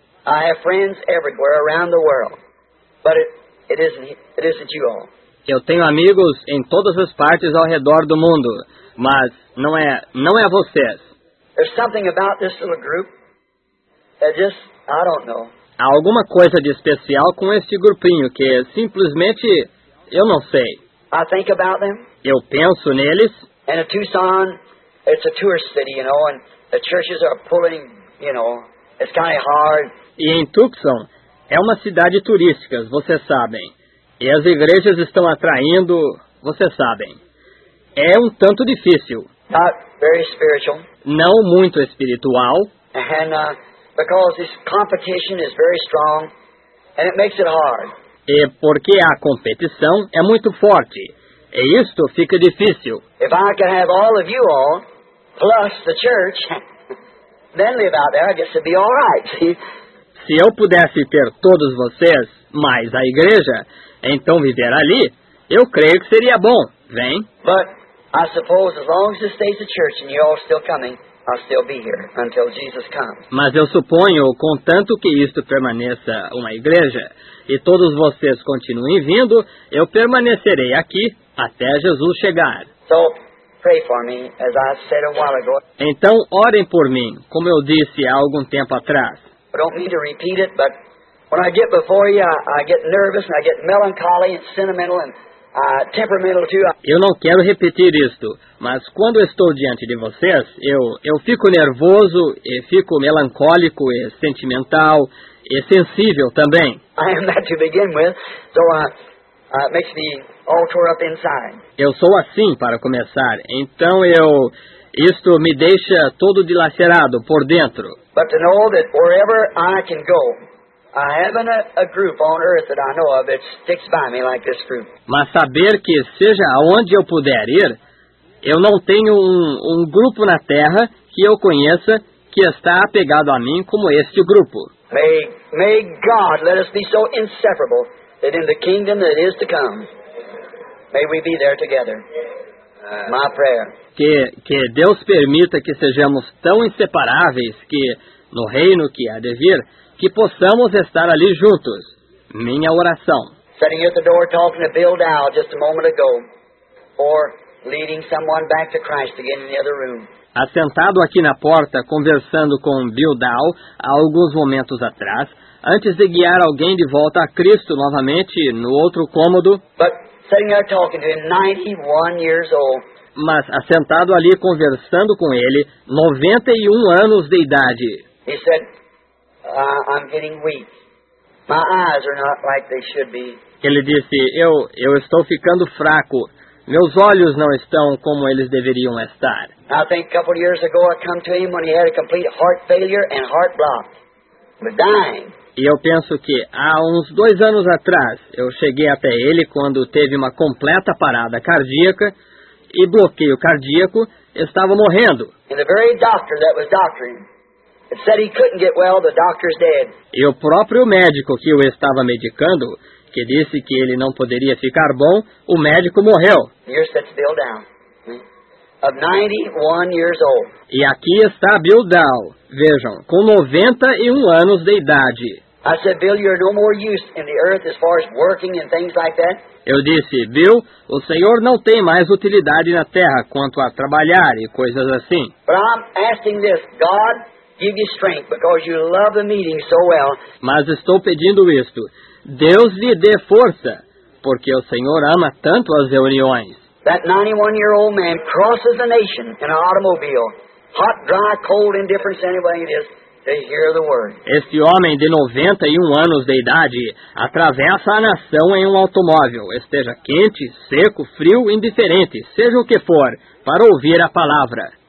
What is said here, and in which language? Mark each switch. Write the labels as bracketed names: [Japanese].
[English] I have friends everywhere around the world, but it isn't you all. [Portuguese] Eu tenho amigos em todas as partes ao redor do mundo, mas não é vocês. [English] There's something about this little group that just I don't know. [Portuguese] Há alguma coisa de especial com este grupinho que simplesmente eu não sei. [English] I think about them. [Portuguese] Eu penso neles. [English] And in Tucson, it's a tourist city, you know, and the churches are pulling, you know, it's kind of hard. [Portuguese] E em Tucson, é uma cidade turística, vocês sabem. E as igrejas estão atraindo, vocês sabem. É um tanto difícil. [English] Not very spiritual. [Portuguese] Não muito espiritual. [English] And because this competition is very strong, and it makes it hard. [Portuguese] E porque a competição é muito forte. E isto fica difícil. [English] If I could have all of you all, plus the church, then live out there, I guess it'd be all right. [Portuguese] Se eu pudesse ter todos vocês, mais a igreja, então viver ali, eu creio que seria bom. Vem. [English] But I suppose as long as it stays the church and you're all still coming, I'll still be here until Jesus comes. [Portuguese] Mas eu suponho, contanto que isto permaneça uma igreja, e todos vocês continuem vindo, eu permanecerei aqui até Jesus chegar. [English] So, pray for me, as I said a while ago. [Portuguese] Então, orem por mim, como eu disse há algum tempo atrás. [English] I don't mean to repeat it, but when I get before you, I get nervous, and I get melancholy, and sentimental, and temperamental too. [Portuguese] Eu não quero repetir isto, mas quando estou diante de vocês, eu fico nervoso, e fico melancólico, e sentimental, e sensível também. [English] I am that to begin with, so it makes me all tore up inside. [Portuguese] Eu sou assim para começar, então isto me deixa todo dilacerado por dentro. [English] But to know that wherever I can go, I haven't a group on earth that I know of that sticks by me like this group. [Portuguese] Mas saber que seja aonde eu puder ir, eu não tenho um grupo na Terra que eu conheça que está apegado a mim como este grupo. [English] May God let us be so inseparable that in the kingdom that is to come, may we be there together. My prayer. [Portuguese] Que Deus permita que sejamos tão inseparáveis que, no reino que há de vir, que possamos estar ali juntos. Minha oração. [English] Sitting at the door talking to Bill Dow just a moment ago, or leading someone back to Christ again in the other room. [Portuguese] Assentado aqui na porta, conversando com Bill Dow há alguns momentos atrás, antes de guiar alguém de volta a Cristo novamente no outro cômodo. [English] But sitting there talking to him, 91 years old. [Portuguese] Mas assentado ali conversando com ele, 91 anos de idade. [English] He said, I'm getting weak. My eyes are not like they should be. [Portuguese] Ele disse, eu estou ficando fraco. Meus olhos não estão como eles deveriam estar. [English] I think a couple of years ago I come to him when he had a complete heart failure and heart block. But dying. [Portuguese] E eu penso que há uns 2 anos atrás eu cheguei até ele quando teve uma completa parada cardíaca e bloqueio cardíaco, estava morrendo. [English] And the very doctor that was doctoring it said he couldn't get well, the doctor's dead. [Portuguese] E o próprio médico que o estava medicando, que disse que ele não poderia ficar bom, o médico morreu. [English] Here sits Bill Dow, of 91 years old. [Portuguese] E aqui está Bill Dow, vejam, com 91 anos de idade. [English] I said, Bill, you're no more use in the earth as far as working and things like that. [Portuguese] Eu disse, Bill, o senhor não tem mais utilidade na terra quanto a trabalhar e coisas assim. [English] But I'm asking this, God give you strength because you love the meeting so well. [Portuguese] Mas estou pedindo isto. Deus lhe dê força, porque o Senhor ama tanto as reuniões. [English] That 91-year-old man crosses the nation in an automobile, hot, dry, cold, indifference, any way it is, to hear the word. [Portuguese] Este homem de 91 anos de idade atravessa a nação em um automóvel, esteja quente, seco, frio, indiferente, seja o que for, para ouvir a palavra.